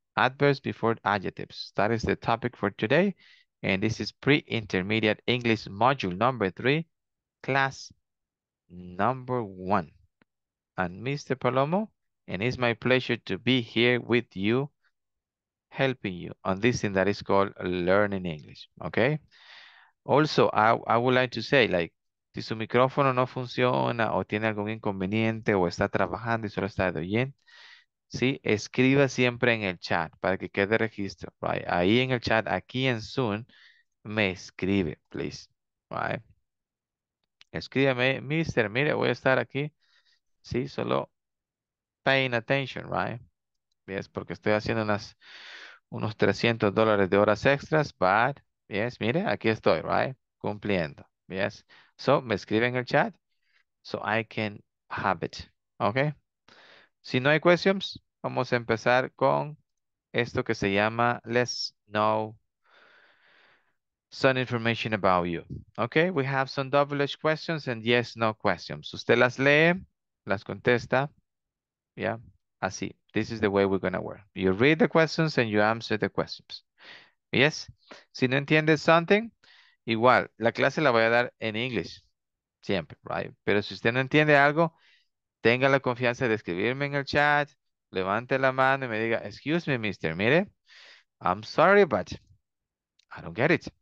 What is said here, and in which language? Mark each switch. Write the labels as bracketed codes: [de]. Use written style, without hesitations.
[en] Adverbs before adjectives. That is the topic for today. And this is pre-intermediate English module number three, class number one. And Mr. Palomo, and it's my pleasure to be here with you, helping you on this thing that is called learning English, okay? Also, I would like to say, like, [es] si su micrófono no funciona o tiene algún inconveniente o está trabajando y solo está de oyente, sí, escriba siempre en el chat para que quede registro, right? Ahí en el chat, aquí en Zoom, me escribe, please, right? Escríbeme, mister, mire, voy a estar aquí, sí, solo [en] paying attention, [es] right? Yes, porque estoy haciendo unos $300 de horas extras, [en] but, yes, [es] mire, aquí estoy, right? [en] Cumpliendo, yes. So, [es] me escribe en el chat, [en] so I can have it, okay? [es] Si no hay questions, vamos a empezar con esto que se llama [en] Let's Know Some Information About You. Okay, we have some double-edged questions and yes, no questions. [es] Usted las lee, las contesta, yeah, así. [en] This is the way we're going to work. You read the questions and you answer the questions. [es] Yes, si no entiendes [en] something, [es] igual, la clase la voy a dar en inglés, siempre, right? Pero si usted no entiende algo, tenga la confianza de escribirme en el chat, levante la mano y me diga, [en] excuse me, mister, [es] mire, [en] I'm sorry, but I don't get it.